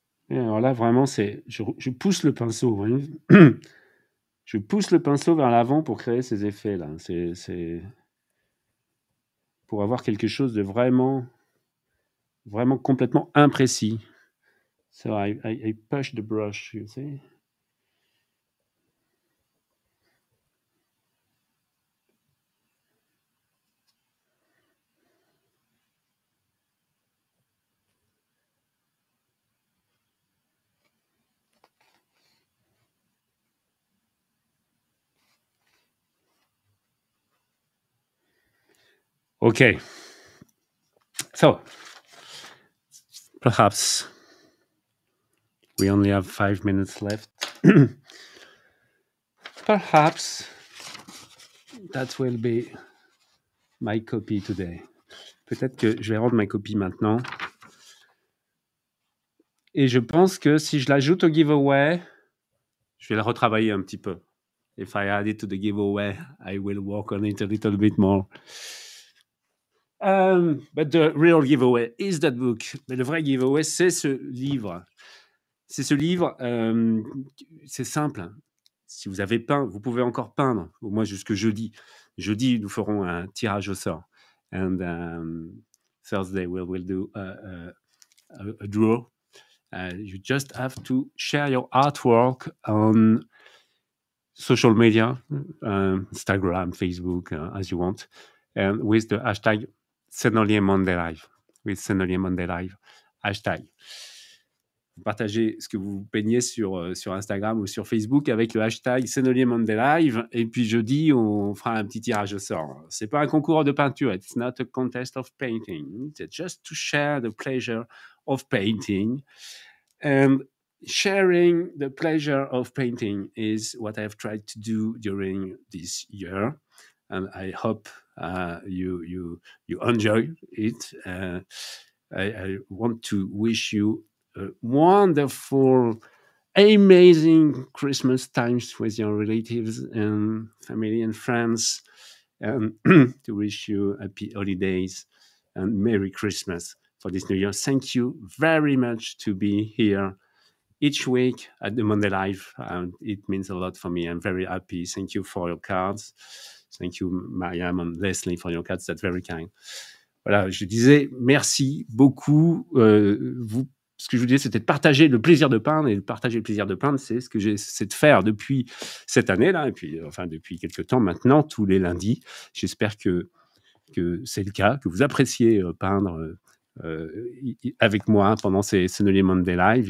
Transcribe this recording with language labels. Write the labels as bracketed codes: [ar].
[fr] Alors là, vraiment, c'est je pousse le pinceau. Oui. Je pousse le pinceau vers l'avant pour créer ces effets-là. C'est pour avoir quelque chose de vraiment, vraiment complètement imprécis. [en] So I push the brush, you see. Okay, so perhaps we only have 5 minutes left. Perhaps that will be my copy today. [fr] Peut-être que je vais rendre ma copie maintenant. Et je pense que si je l'ajoute au giveaway, je vais la retravailler un petit peu. [en] If I add it to the giveaway, I will work on it a little bit more. But the real giveaway is that book. [fr] Mais le vrai giveaway, c'est ce livre. C'est ce livre, c'est simple. Si vous avez peint, vous pouvez encore peindre. Au moins jusque jeudi. Jeudi, nous ferons un tirage au sort. [en] And Thursday, we will do a draw. You just have to share your artwork on social media, Instagram, Facebook, as you want, and with the hashtag Sennelier Monday Live, with Sennelier Monday Live, hashtag. [fr] Partagez ce que vous peignez sur Instagram ou sur Facebook avec le hashtag Sennelier Monday Live, et puis jeudi, on fera un petit tirage au sort. Ce n'est pas un concours de peinture, [en] it's not a contest of painting, it's just to share the pleasure of painting. And sharing the pleasure of painting is what I have tried to do during this year, and I hope you enjoy it. I want to wish you a wonderful, amazing Christmas times with your relatives and family and friends, and to wish you happy holidays and Merry Christmas for this new year. Thank you very much to be here each week at the Monday Live, and it means a lot for me. I'm very happy. Thank you for your cards. Thank you, Mariam and Leslie, for your cards. That's very kind. [fr] Voilà, je disais merci beaucoup. Ce que je vous disais, c'était de partager le plaisir de peindre. Et de partager le plaisir de peindre, c'est ce que j'essaie de faire depuis cette année-là, et puis enfin depuis quelques temps maintenant, tous les lundis. J'espère que c'est le cas, que vous appréciez peindre avec moi pendant ces Sennelier Monday Live.